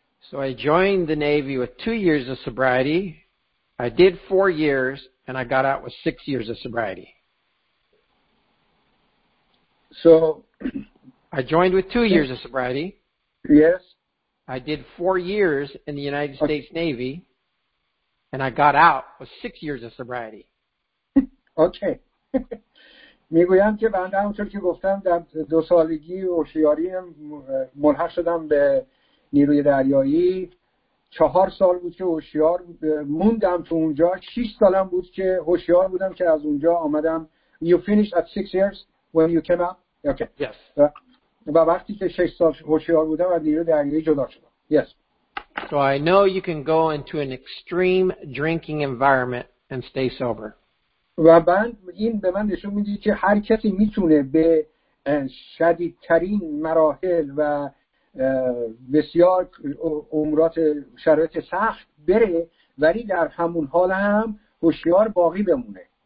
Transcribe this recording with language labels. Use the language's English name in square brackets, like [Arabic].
[English] So I joined the Navy with 2 years of sobriety. I did 4 years and I got out with 6 years of sobriety. So I joined with 2 years of sobriety. Yes. I did 4 years in the United States Navy and I got out with 6 years of sobriety. Okay. [Persian] میگویم که بنده همونطور که گفتم در 2 سالگی هوشیاری ملحق شدم به نیروی دریایی. 4 سال بود که هوشیار موندم تو اونجا. 6 سالم بود که هوشیار بودم که از اونجا آمدم. [English] You finished at 6 years when you came out? Okay. Yes. [Persian] و وقتی که 6 سال هوشیار بودم از نیروی دریایی جدا شدم. [English] Yes. So I know you can go into an extreme drinking environment and stay sober. [Persian] و بعد این به من نشون میده که هر کسی میتونه به شدیدترین مراحل و بسیار عمرات شرایط سخت بره ولی در همون حال هم هوشیار باقی بمونه.